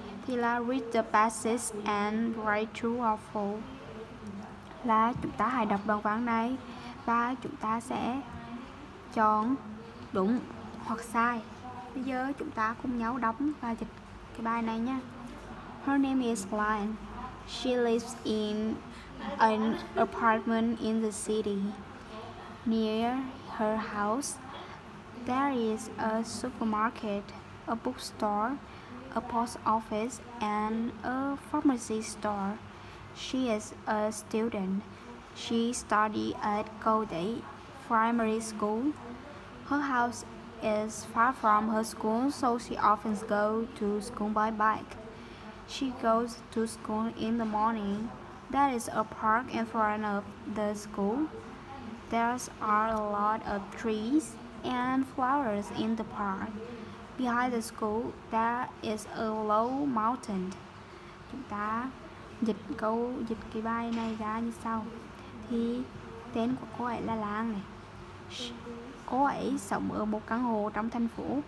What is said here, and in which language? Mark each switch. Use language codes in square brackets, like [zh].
[vi] Thì là [en] read the passage and write true or false. [vi] Là chúng ta hãy đọc đoạn văn này và chúng ta sẽ chọn đúng hoặc sai. Bây giờ chúng ta cùng nhau đọc và dịch cái bài này nha. [en] Her name is Lan. She lives in an apartment in the city. Near her house, there is a supermarket, a bookstore, a post office, and a pharmacy store. She is a student. She studies at Goldie Primary School. Her house is far from her school, so she often goes to school by bike. She goes to school in the morning. There is a park in front of the school. There are a lot of trees and flowers in the park. Behind the school, there is a low mountain. [vi] Chúng ta dịch câu, dịch cái bài này ra như sau. Thì tên của cô ấy là Lan này. Cô ấy sống ở một căn hộ trong thành phố.